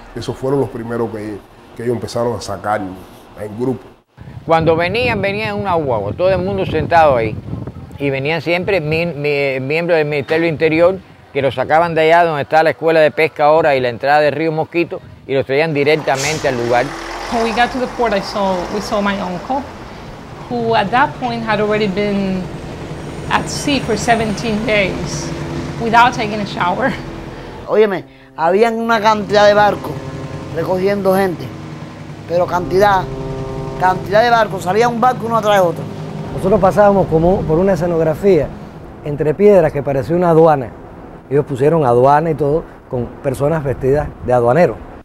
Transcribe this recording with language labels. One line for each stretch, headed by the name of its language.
Spanish: Esos fueron los primeros que ellos empezaron a sacar en grupo. Cuando venían una guagua, todo el mundo sentado ahí, y venían siempre miembros del Ministerio del Interior, que los sacaban de allá donde está la escuela de pesca ahora y la entrada del río Mosquito, y los traían directamente al lugar.
English: When we got to the port, we saw my uncle, who at that point had already been at sea for 17 days without taking a shower.
Spanish: Óyeme, habían una cantidad de barcos recogiendo gente, pero cantidad de barcos, salía un barco uno atrás de otro. Nosotros pasábamos como por una escenografía entre piedras que parecía una aduana. Ellos pusieron aduana y todo con personas vestidas de aduanero.